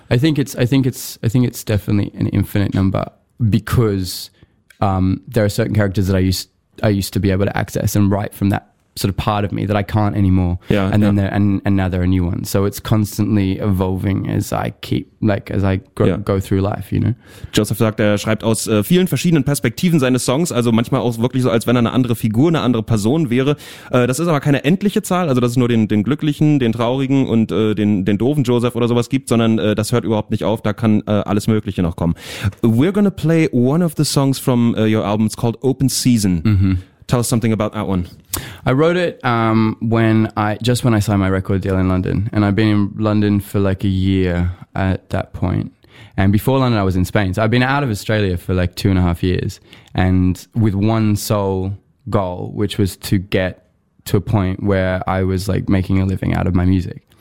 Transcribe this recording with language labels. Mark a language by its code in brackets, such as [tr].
[en] I think it's definitely an infinite number because there are certain characters that I used to be able to access and write from that sort of part of me that I can't anymore. And now they're a new one. So it's constantly evolving as I go through life, you know. [de] Joseph sagt, er schreibt aus vielen verschiedenen Perspektiven seine Songs, also manchmal auch wirklich so, als wenn er eine andere Figur, eine andere Person wäre. Das ist aber keine endliche Zahl, also dass es nur den glücklichen, den traurigen und den doofen Joseph oder sowas gibt, sondern das hört überhaupt nicht auf, da kann alles Mögliche noch kommen. [en] We're gonna play one of the songs from your album, it's called Open Season. Tell us something about that one. I wrote it when I signed my record deal in London, and I'd been in London for like a year at that point. And before London, I was in Spain. So I'd been out of Australia for like 2.5 years and with one sole goal, which was to get to a point where I was like making a living out of my music.